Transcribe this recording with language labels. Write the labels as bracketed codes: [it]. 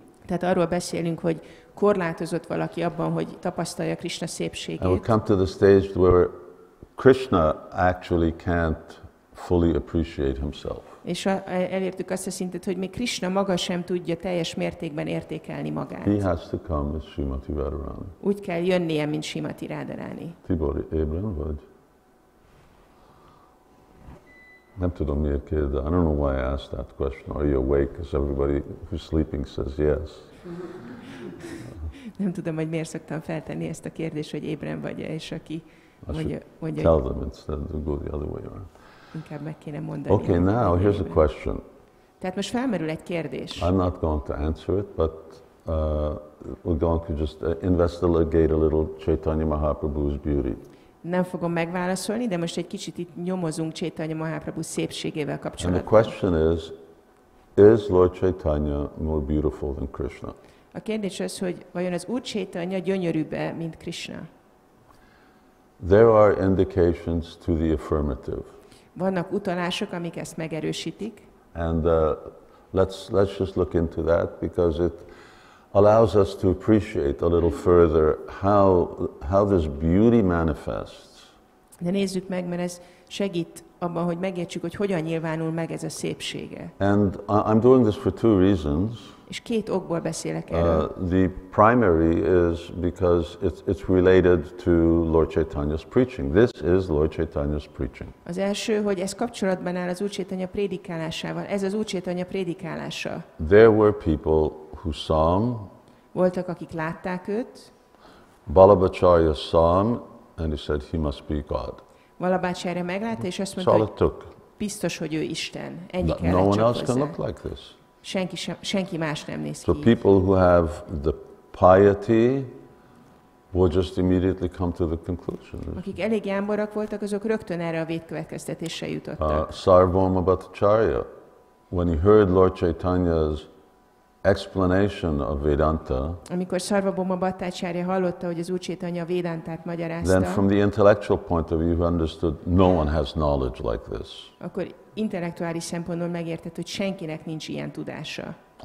[hu] Tehát arról beszélünk, hogy korlátozott valaki abban, hogy tapasztalja Krishna szépségét. [en] And we come to the stage where Krishna actually can't fully appreciate himself. [hu] És elértük azt a szintet, hogy még Krishna maga sem tudja teljes mértékben értékelni magát. [en] He has to come as Srimati Radharani. [hu] Úgy kell jönnie, mint Srimati Radharani. Tibor, ébren vagy? Nem tudom, miért kérde. [en] I don't know why I asked that question. Are you awake? Because everybody who's sleeping says yes. [hu] Nem tudom, hogy miért szoktam feltenni ezt a kérdést, hogy ébren vagy-e, és aki... [en] I should tell them instead to go the other way around. [hu] Inkább meg kéne mondani. [en] Okay, now here's a question. [hu] Tehát most felmerül egy kérdés. [en] I'm not going to answer it, but we're going to just investigate a little Chaitanya Mahaprabhu's beauty. [hu] Nem fogom megválaszolni, de most egy kicsit itt nyomozunk Chaitanya Mahaprabhu szépségével kapcsolatban. [en] And the question is Lord Chaitanya more beautiful than Krishna? [hu] A kérdés az, hogy vajon az Úr Chaitanya gyönyörűbb-e, mint Krishna? [en] There are indications to the affirmative. [hu] Vannak utalások, amik ezt megerősítik. [en] And let's just look into that, because it allows us to appreciate a little further how this beauty manifests. [hu] De nézzük meg, mert ez segít abban, hogy megértsük, hogy hogyan nyilvánul meg ez a szépsége. [en] And I'm doing this for two reasons. [hu] És két okból beszélek erről. [en] The primary is because it's related to Lord Chaitanya's preaching. This is Lord Chaitanya's preaching. [hu] Az első, hogy ez kapcsolatban áll az Úr Chaitanya prédikálásával. Ez az Úr Chaitanya prédikálása. [en] There were people who saw him. [hu] Voltak, akik látták őt. [en] Balabhacharya saw him, and he said he must be God. [hu] Balabhacharya meglátta, és azt mondta, hogy biztos, hogy ő Isten. Ennyi kellett csak hozzá. [en] No one else can look like this. [hu] Senki más nem néz ki. [en] So people who have the piety will just immediately come to the conclusion. [hu] Akik elég jámborak voltak, azok rögtön erre a vétkövetkeztetésre jutottak. [en] Sarvoma Bhattacharya, when he heard Lord Chaitanya's explanation of Vedanta, [hu] amikor Sarvoma Bhattacharya hallotta, hogy az Úr Chaitanya Vedantát magyarázta, [en] then from the intellectual point of view, he understood no one has knowledge like this. [hu] Akkor intellektuális szempontból megértett, hogy senkinek nincs ilyen tudása.